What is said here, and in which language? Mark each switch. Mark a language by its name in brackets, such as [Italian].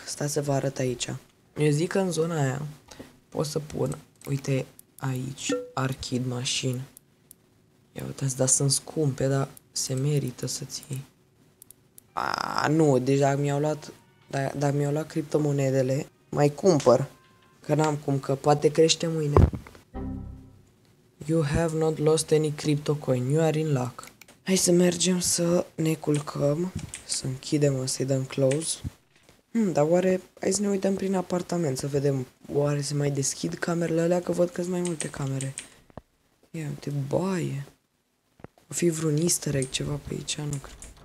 [Romanian] Stați să vă arăt aici. Eu zic că în zona aia pot să pun, uite, aici, arcade machine. Ia uitați, dar sunt scumpe, dar se merită să-ți iei. Aaa, nu, deja mi-au luat, dacă mi-au luat criptomonedele, mai cumpăr. Că n-am cum, că poate crește mâine. [English] You have not lost any crypto coin, you are in luck. [Romanian] Hai să mergem să ne culcăm, să închidem, să-i dăm close. Dar oare, hai să ne uităm prin apartament să vedem, oare se mai deschid camerele alea, că văd că sunt mai multe camere. Ia uite, baie. O fi vreun easter egg ceva pe aici, nu cred.